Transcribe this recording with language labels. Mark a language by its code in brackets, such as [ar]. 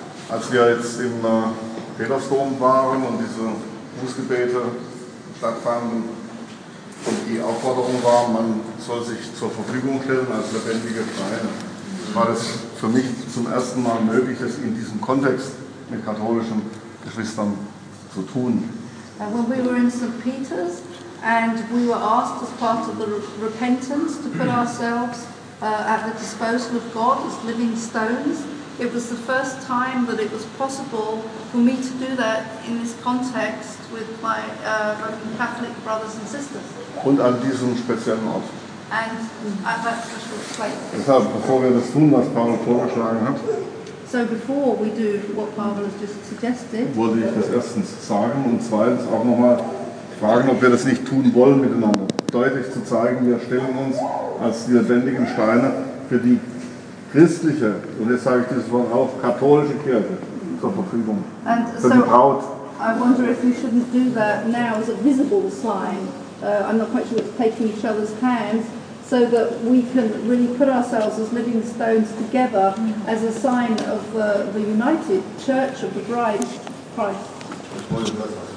[de] Als wir jetzt im Petersdom waren und diese Bußgebete stattfanden und die Aufforderung war, man soll sich zur Verfügung stellen als lebendige Vereine, war das für mich zum ersten Mal möglich, das in diesem Kontext mit katholischen Geschwistern zu tun. [en] When we were in St. Peter's and we were asked as part of the repentance to put ourselves at the disposal of God as living stones, it was the first time that it was possible for me to do that in this context with my Roman Catholic brothers and sisters. [de] Und an diesem speziellen Ort. [en] And at that special place. [de] Deshalb, bevor wir das tun, was Paul vorgeschlagen hat, [en] so before we do what Pavel has just suggested, [de] wollte ich das erstens sagen und zweitens auch nochmal fragen, ob wir das nicht tun wollen miteinander. Deutlich zu zeigen, wir stellen uns als die lebendigen Steine für die christliche, und jetzt sage ich dieses Wort auf, katholische Kirche zur Verfügung. [en] And [de] für [en] so [de] die Braut. [en] I wonder if we shouldn't do that now as a visible sign. I'm not quite sure it's taking each other's hands. So that we can really put ourselves as living stones together as a sign of the united church of the bride, Christ.